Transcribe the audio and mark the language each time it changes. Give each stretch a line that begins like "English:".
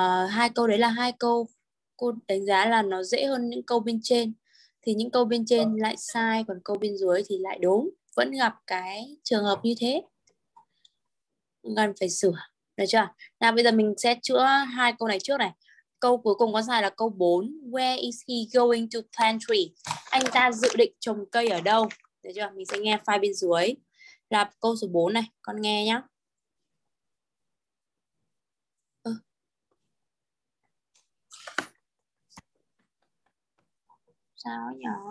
Vietnamese: Hai câu đấy là hai câu cô đánh giá là nó dễ hơn những câu bên trên. Thì những câu bên trên lại sai, còn câu bên dưới thì lại đúng. Vẫn gặp cái trường hợp như thế. Cần phải sửa, được chưa? Nào bây giờ mình sẽ chữa hai câu này trước này. Câu cuối cùng có sai là câu 4.
English: Where is he going to plant tree?
Vietnamese: Anh ta dự định trồng cây ở đâu? Được chưa? Mình sẽ nghe file bên dưới. Là câu số 4 này. Con nghe nhá. Sao nhỉ?